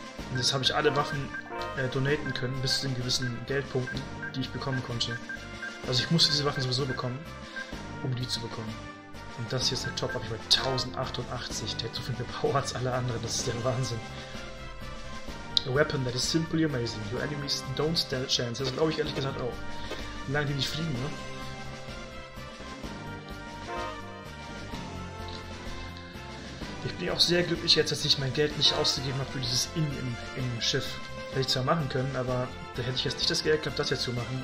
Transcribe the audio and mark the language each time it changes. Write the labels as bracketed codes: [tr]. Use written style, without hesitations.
[de] Und jetzt habe ich alle Waffen donaten können, bis zu den gewissen Geldpunkten, die ich bekommen konnte. Also ich musste diese Waffen sowieso bekommen, um die zu bekommen. Und das hier ist der Top, habe ich bei 1088. Der hat so viel mehr Power als alle anderen. Das ist der Wahnsinn. [en] A weapon that is simply amazing. Your enemies don't stand a chance. [de] Das glaube ich ehrlich gesagt auch. Solange die nicht fliegen, ne? Ich bin auch sehr glücklich jetzt, dass ich mein Geld nicht ausgegeben habe für dieses Inn-Schiff. Hätte ich zwar machen können, aber da hätte ich jetzt nicht das Geld gehabt, das hier zu machen.